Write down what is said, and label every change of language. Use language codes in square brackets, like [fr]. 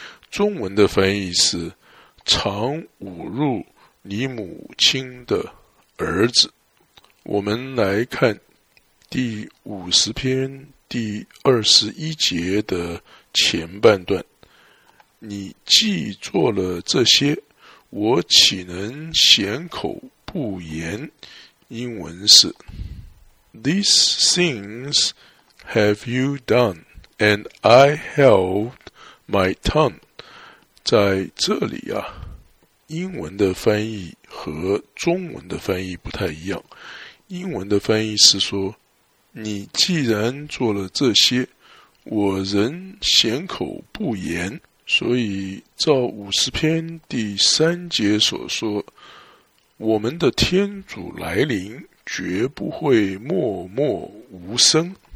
[zh] 中文的翻译是：常侮辱你母亲的儿子。我们来看第50篇第21节的前半段：你既做了这些，我岂能闲口不言？英文是 [en] These things have you done, and I held my tongue. [zh] 在这里啊，英文的翻译和中文的翻译不太一样。英文的翻译是说：你既然做了这些，我仍闲口不言。所以照50篇第三节所说，我们的天主来临绝不会默默无声。